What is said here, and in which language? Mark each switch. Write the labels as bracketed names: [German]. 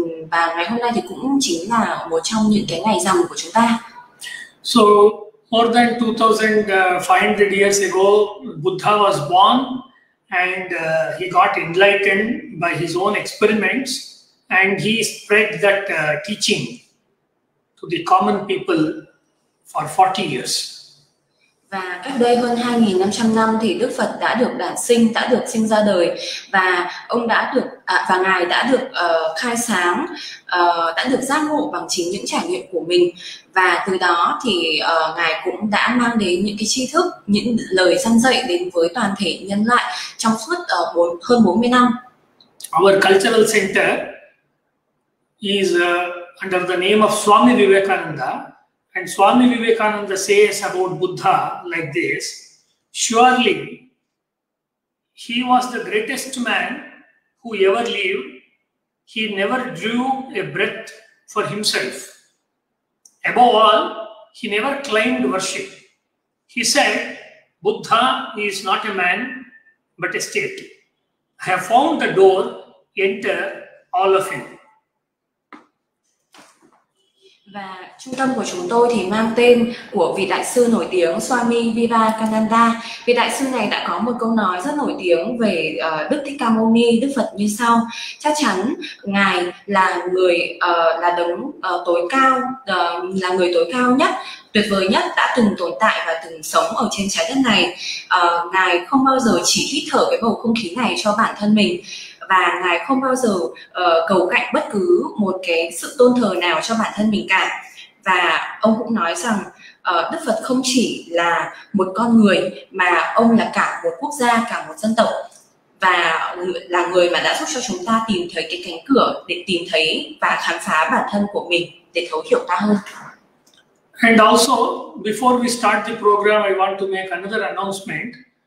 [Vietnamese] Và ngày hôm nay thì cũng chính là một trong những cái ngày rằm của chúng ta. [English] So, more than 2500 years ago, Buddha was born and he got enlightened by his own experiments, and he spread that teaching to the common people for 40 years. [Vietnamese] Và cách đây hơn 2500 năm thì Đức Phật đã được đản sinh, đã được sinh ra đời, và ông đã được và ngài đã được khai sáng, đã được giác ngộ bằng chính những trải nghiệm của mình, và từ đó thì ngài cũng đã mang đến những cái tri thức, những lời răn dạy đến với toàn thể nhân loại trong suốt hơn 40 năm. [English] Our cultural center is under the name of Swami Vivekananda. And Swami Vivekananda says about Buddha like this: surely he was the greatest man who ever lived. He never drew a breath for himself. Above all, he never claimed worship. He said, Buddha is not a man, but a state. I have found the door, enter all of you. [Vietnamese] Và trung tâm của chúng tôi thì mang tên của vị đại sư nổi tiếng Swami Vivekananda. Vị đại sư này đã có một câu nói rất nổi tiếng về Đức Thích Ca Mâu Ni, Đức Phật như sau: chắc chắn ngài là người là đấng tối cao, là người tối cao nhất, tuyệt vời nhất đã từng tồn tại và từng sống ở trên trái đất này. Ngài không bao giờ chỉ hít thở cái bầu không khí này cho bản thân mình, và ngài không bao giờ cầu cạnh bất cứ một cái sự tôn thờ nào cho bản thân mình cả. Và ông cũng nói rằng Đức Phật không chỉ là một con người, mà ông là cả một quốc gia, cả một dân tộc, và là người mà đã giúp cho chúng ta tìm thấy cái cánh cửa để tìm thấy và khám phá bản thân của mình, để thấu hiểu ta hơn. [English] And also, before we start the program, I want to make another announcement.